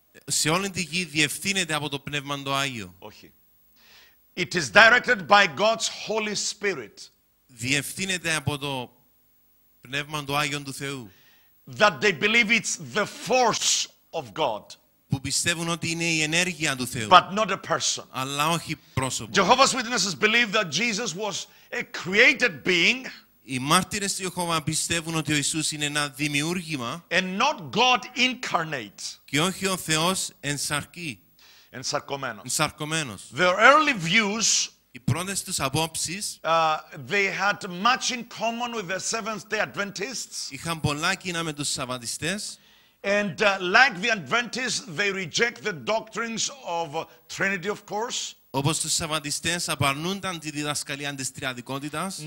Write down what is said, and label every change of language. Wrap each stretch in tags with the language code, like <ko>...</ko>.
<el>Σε όλη τη γη διευθύνεται από το Πνεύμα το Άγιο. Όχι.</el> <en>It is directed by God's Holy Spirit.</en> <el>Διευθύνεται από το Πνεύμα του Άγιον του Θεού.</el> <en>That they believe it's the force of God.</en> <el>Που πιστεύουν ότι είναι η ενέργεια του Θεού.</el> <en>But not a person.</en> <el>Αλλά όχι πρόσωπο.</el> <en>Jehovah's Witnesses believe that Jesus was a created being.</en> <el>Οι μάρτυρες του Ιεχωβά πιστεύουν ότι ο Ιησούς είναι ένα δημιούργημα.</el> <en>And not God incarnate.</en> <el>Και όχι ο Θεός εν σαρκή. Ενσαρκωμένος.</el> <en>Their early views,</en> <el>οι πρώτες τους απόψεις,</el> <en>they had much in common with the Seventh-day Adventists.</en> <el>Είχαν πολλά κοινά με τους Σαββατιστές.</el> <en>And like the Adventists, they reject the doctrines of Trinity, of course.</en> <el>Όπως τους Σαββατιστές απαρνούνταν τη διδασκαλία της Τριαδικότητας.</el>